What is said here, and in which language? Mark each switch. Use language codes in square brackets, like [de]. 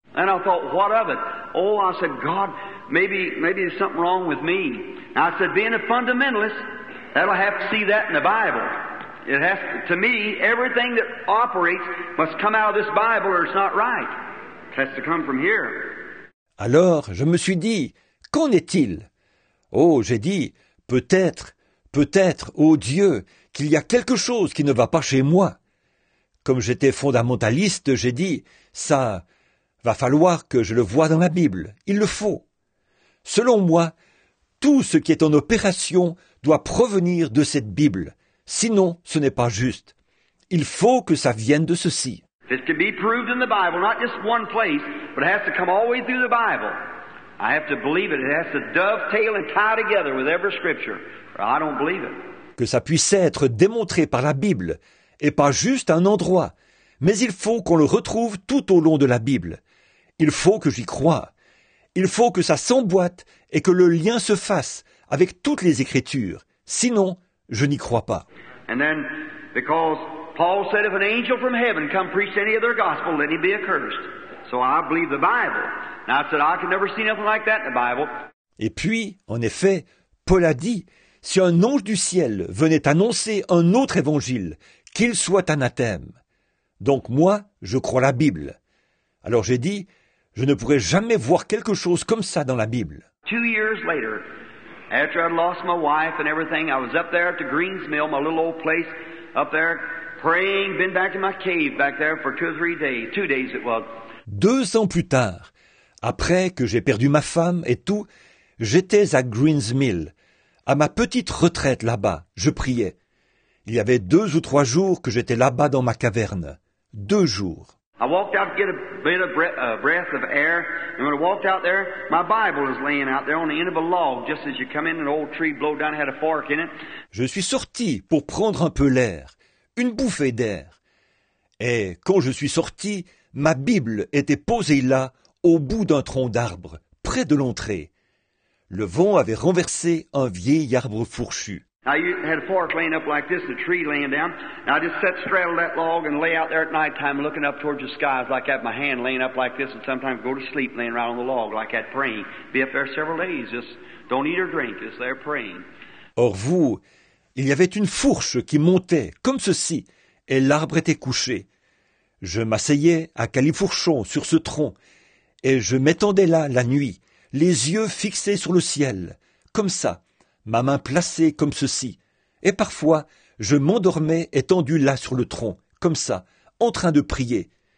[en] And I thought, what of it? Oh, I said, God, maybe there's something wrong with me. And I said, being a fundamentalist, that'll have to see that in the Bible. It has to me, everything that operates must come out of this Bible or it's not right. It has to come from here. [fr] Alors, je me suis dit, qu'en est-il? Oh, j'ai dit, peut-être, oh Dieu, qu'il y a quelque chose qui ne va pas chez moi. Comme j'étais fondamentaliste, j'ai dit, ça, va falloir que je le voie dans la Bible, il le faut. Selon moi, tout ce qui est en opération doit provenir de cette Bible, sinon ce n'est pas juste. Il faut que ça vienne de ceci. [en] It can be proved in the Bible, not just one place, but it has to come all the way through the Bible. I have to believe it. It has to dovetail and tie together with every scripture. I don't believe it. [fr] Que ça puisse être démontré par la Bible, et pas juste un endroit. Mais il faut qu'on le retrouve tout au long de la Bible. Il faut que j'y croie. Il faut que ça s'emboîte et que le lien se fasse avec toutes les Écritures. Sinon, je n'y crois pas. [en] And then, because Paul said, if an angel from heaven come preach any other gospel, let him be accursed. So I believe the Bible. Now I said, I can never see nothing like that in the Bible. [fr] Et puis, en effet, Paul a dit, si un ange du ciel venait annoncer un autre évangile, qu'il soit anathème. Donc moi, je crois la Bible. Alors j'ai dit, je ne pourrai jamais voir quelque chose comme ça dans la Bible. [en] 2 years later, after I'd lost my wife and everything, I was up there at the Greens Mill, my little old place up there, praying, been back in my cave back there for 2 or 3 days, 2 days it was. [fr] 2 ans plus tard, après que j'ai perdu ma femme et tout, j'étais à Greens Mill, à ma petite retraite là-bas, je priais. Il y avait 2 ou 3 jours que j'étais là-bas dans ma caverne. 2 jours. [en] I walked out to get a bit of breath of air, and when I walked out there, my Bible was laying out there on the end of a log, just as you come in, an old tree blow down, had a fork in it. [fr] Je suis sorti pour prendre un peu l'air, une bouffée d'air. Et quand je suis sorti, ma Bible était posée là, au bout d'un tronc d'arbre, près de l'entrée. Le vent avait renversé un vieil arbre fourchu. [en] I had a fork laying up like this, and a tree laying down. And I just sat straddled that log and lay out there at nighttime looking up towards the skies like I had my hand laying up like this, and sometimes go to sleep laying right on the log like that praying. Be up there several days, just don't eat or drink, just there praying. [fr] Or vous, il y avait une fourche qui montait comme ceci, et l'arbre était couché. Je m'asseyais à califourchon sur ce tronc, et je m'étendais là la nuit, les yeux fixés sur le ciel, comme ça. Ma main placée comme ceci, et parfois je m'endormais étendu là sur le tronc, comme ça, en train de prier.